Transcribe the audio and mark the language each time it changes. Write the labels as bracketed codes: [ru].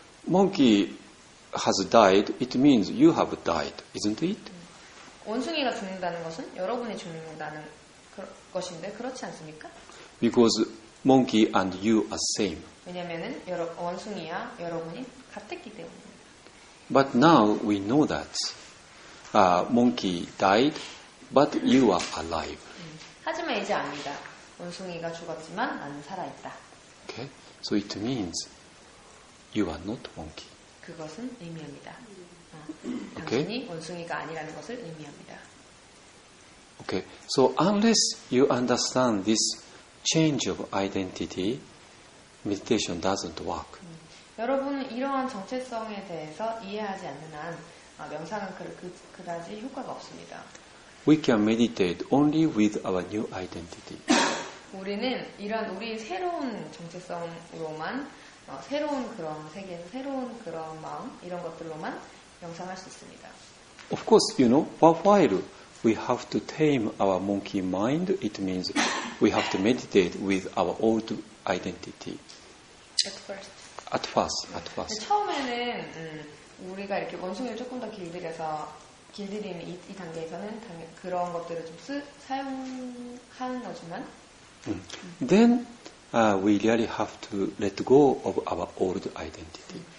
[en] Monkey has died. It means you have died, isn't it? [ko] 원숭이가 죽는다는 것은 여러분이 죽는다는 것인데 그렇지 않습니까? [en] Because monkey and you are same. [ko] 왜냐하면은 원숭이와 여러분이 같았기 때문입니다. [en] But now we know that monkey died, but you are alive. [ko] 하지만 이제 압니다. 원숭이가 죽었지만 나는 살아 있다. [en] Okay, so it means you are not monkey. [ko] 그것은 의미합니다. 당신이 원숭이가 아니라는 것을 의미합니다. [en] Okay, so unless you understand this change of identity, meditation doesn't work. [ko] 여러분 이러한 정체성에 대해서 이해하지 않는 한 명상은 그다지 효과가 없습니다. [en] We can meditate only with our new identity. [ko] 우리는 이런 우리 새로운 정체성으로만 새로운 그런 세계, 새로운 그런 마음 이런 것들로만 명상할 수 있습니다. [en] Of course, you know, while we have to tame our monkey mind, it means we have to meditate with our old identity. At first. [ko] 처음에는 우리가 이렇게 원숭이를 조금 더 길들여서 길들이는 이 단계에서는 그런 것들을 좀 사용하는 거지만. [en] Then we really have to let go of our old identity.